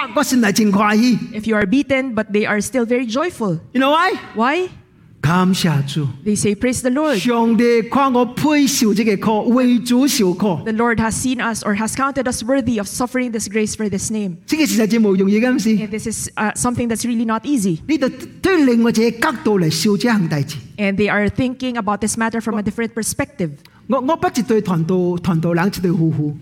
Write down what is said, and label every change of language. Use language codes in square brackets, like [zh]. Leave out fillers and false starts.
[en] If you are beaten, but they are still very joyful. You know why? Why? [nan] 感谢主. [en] They say, praise the Lord. [nan] 上帝看我配受这个苦, [en] the Lord has seen us or has counted us worthy of suffering this grace for this name. [nan] 这个实在真不容易, [en] and this is something that's really not easy. [nan] 你得对另外一个角度来修这项代志. [en] And they are thinking about this matter from a different perspective. [nan] 我不是对团队人一对夫妇.